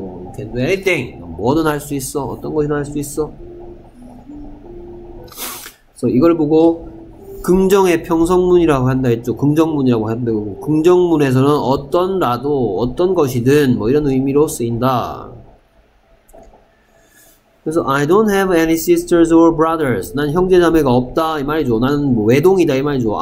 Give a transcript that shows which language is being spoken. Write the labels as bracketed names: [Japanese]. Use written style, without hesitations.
[English] You can do anything. [Korean] 뭐든 할 수 있어. 어떤 것이나 할 수 있어. 그래서 이걸 보고 긍정의 평성문이라고 한다 했죠. 긍정문이라고 한다고. 긍정문에서는 어떤 라도 어떤 것이든 뭐 이런 의미로 쓰인다. 그래서 [English] I don't have any sisters or brothers. [Korean] 난 형제자매가 없다 이 말이죠. 나는 뭐 외동이다 이 말이죠.